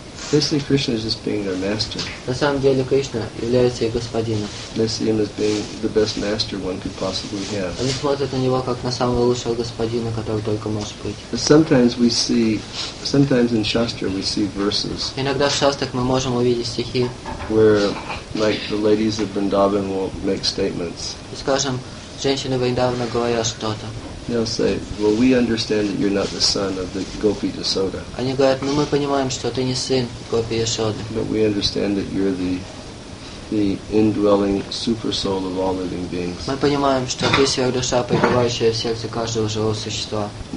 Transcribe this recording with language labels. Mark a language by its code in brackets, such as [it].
[en] Basically, Krishna is just being their master. [ru] На самом деле Кришна является их господином. [en] They see him as being the best master one could possibly have. [ru] Они смотрят на него как на самого лучшего господина, который только может быть. [en] But sometimes in Shastra we see verses. [ru] Иногда в шастрах мы можем увидеть стихи. [en] Where, like, the ladies of Vrindavan will make statements. [ru] Скажем, женщины Вриндавана говорят что-то. [en] They'll say, "Well, we understand that you're not the son of the Gopi Yashoda." [ru] Они говорят, ну мы понимаем, что ты не сын Гопи Яшоды. [en] But we understand that you're the indwelling super soul of all living beings. [ru] Мы понимаем, что ты сверхдуша, пребывающая в сердце каждого живого существа.